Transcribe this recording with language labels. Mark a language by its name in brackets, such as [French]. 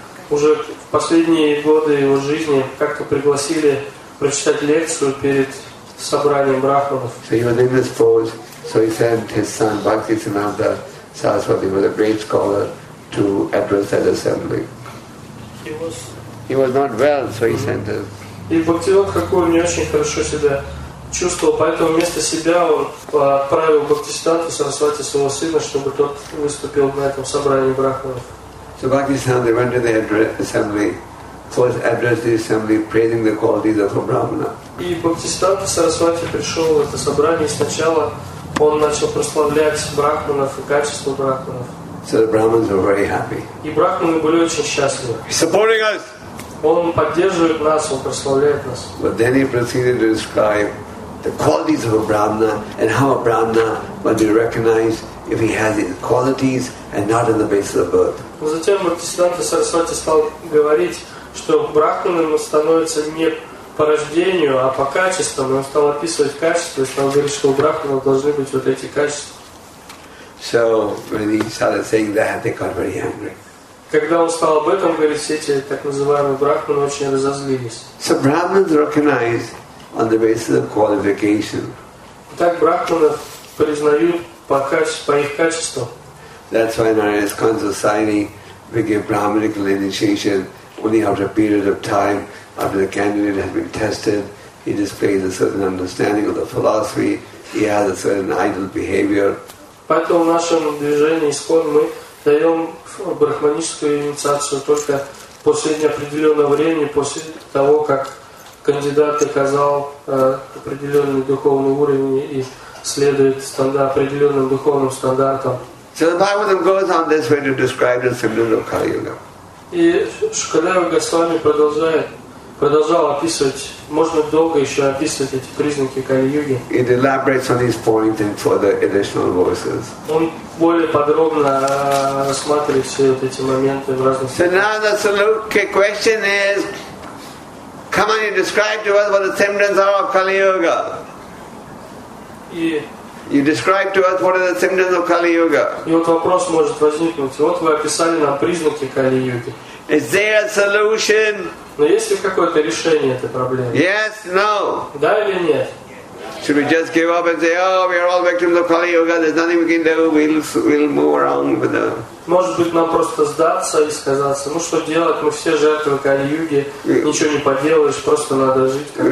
[Russian] Уже в последние годы его жизни как-то пригласили прочитать лекцию перед собранием брахманов. [English] So he was in this pose, so he sent his son Bhakti Siddhanta Saraswati, who was a great scholar, to address that assembly. He was not well, so he sent him. [Russian] И Бхактивинода Тхакур не очень хорошо себя чувствовал, поэтому вместо себя он отправил Бхакти Сиддханта Сарасвати своего сына, чтобы тот выступил на этом собрании брахманов. [English] So Bhakti Siddhanta went to the assembly, first addressed the assembly, praising the qualities of a brahmana. [Russian] И Бхакти Сиддханта Сарасвати пришел в это собрание, сначала он начал прославлять брахманов и качество брахманов. [English] So the brahmins were very happy. [Russian] И брахманы были очень счастливы. [English] He's supporting us. [Russian] Он поддерживает нас, он прославляет нас. [English] But then he proceeded to describe the qualities of a brahmana and how a brahmana must be recognized if he has these qualities and not on the basis of birth. [Russian] Затем Бхакти Сиддханта Сарасвати стал говорить, что брахманом становится не по рождению, а по качествам. Он стал описывать качества и стал говорить, что у брахмана должны быть вот эти качества. [English] So when he started saying that, they got very angry. [Russian] Когда он стал об этом говорить, все эти так называемые брахманы очень разозлились. [English] So brahmans recognize on the basis of qualification. [Russian] Так брахманы признают по их качествам. [English] That's why in our ISKCON society we give brahminical initiation only after a period of time, after the candidate has been tested, he displays a certain understanding of the philosophy, he has a certain ideal behavior. [Russian] Поэтому в нашем движении ISKCON мы даем брахманическую инициацию только после неопределенного времени, после того, как кандидат доказал определенный духовный уровень и следует определенным духовным стандартам. [English] So the Bhagavatam goes on this way to describe the symptoms of Kali Yuga. [Russian] И Шукадева Госвами продолжает продолжал описывать, можно долго еще описывать эти признаки Кали-юги. [English] It elaborates on his point and for the additional voices. [Russian] Он более подробно рассматривает все вот эти моменты в разных [English] So now the Salukya question is, come on, you describe to us what the symptoms are of Kali-yuga. You describe to us what are the symptoms of Kali-yuga. [Russian] И вот вопрос может возникнуть. Вот вы описали нам признаки Кали-юги. [English] Is there a solution? [Russian] Но есть ли какое-то решение этой проблемы? [English] Yes, no. [Russian] Да или нет? [English] Should we just give up and say, oh, we are all victims of Kali Yuga, there's nothing we can do, we'll move around with them. [Russian] Может быть, нам просто сдаться и сказаться, ну что делать, мы все жертвы Кали Юги, ничего не поделаешь, просто надо жить как-то.